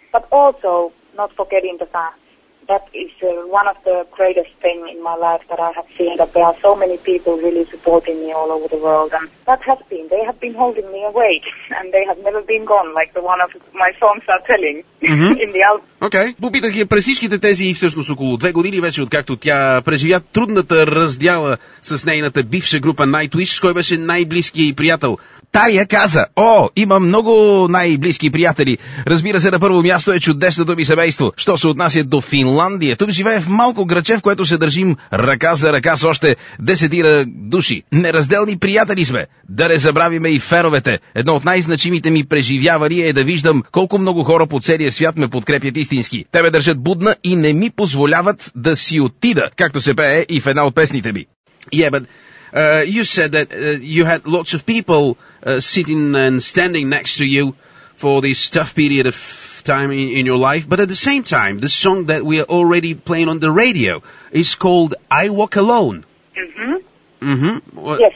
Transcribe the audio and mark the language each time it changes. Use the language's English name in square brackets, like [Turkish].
[English] But also, not forgetting the fact that is one of the greatest things in my life that I have seen, that there are so many people really supporting me all over the world. And that has been, they have been holding me awake, and they have never been gone, like the one of my songs are telling in the album. Окей. [Bulgarian] Попитах я през всичките тези, всъщност около 2 години вече, откакто тя преживя трудната раздяла с нейната бивша група Nightwish, кой беше най-близкият й приятел. Тария каза, о, има много най-близки приятели. Разбира се, на първо място е чудесното ми семейство. Що се отнася до Финландия? Тук живее в малко граче, в което се държим ръка за ръка с още 10 души. Неразделни приятели сме. Да не забравиме и феновете. Едно от най-значимите ми преживявания е да виждам колко много хора по целия свят ме подкрепят истински. Те ме държат будна и не ми позволяват да си отида, както се пее и в една от песните ми. Ебен. [English] You said that you had lots of people sitting and standing next to you for this tough period of time in your life. But at the same time, the song that we are already playing on the radio is called I Walk Alone. Yes.